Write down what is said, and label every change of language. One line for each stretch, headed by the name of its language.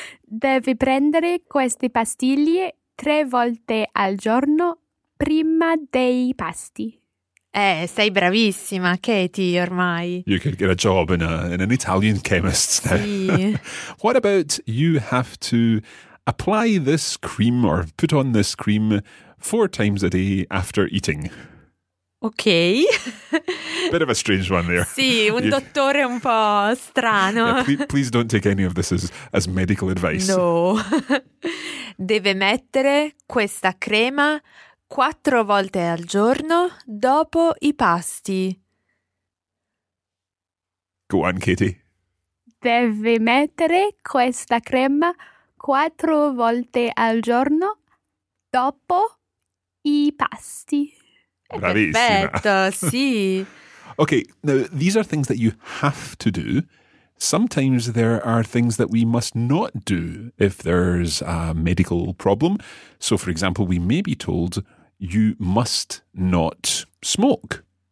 Italian: Deve prendere queste pastiglie 3 volte al giorno prima dei pasti. Sei bravissima, Katie, ormai.
English: You could get a job in an Italian chemist.
Italian: Sì.
English: What about you have to apply this cream or put on this cream 4 times a day after eating? Ok. Bit of a strange one there.
Italian: Sì, un dottore un po' strano.
English: Yeah, please don't take any of this as medical advice. No.
Italian: Deve mettere questa crema 4 volte al giorno dopo i pasti.
English: Go on, Katie.
Italian: Deve mettere questa crema 4 volte al giorno dopo i pasti. Bravissima. Perfetto, sì.
English: Okay, now these are things that you have to do. Sometimes there are things that we must not do if there's a medical problem. So, for example, we may be told you must not smoke.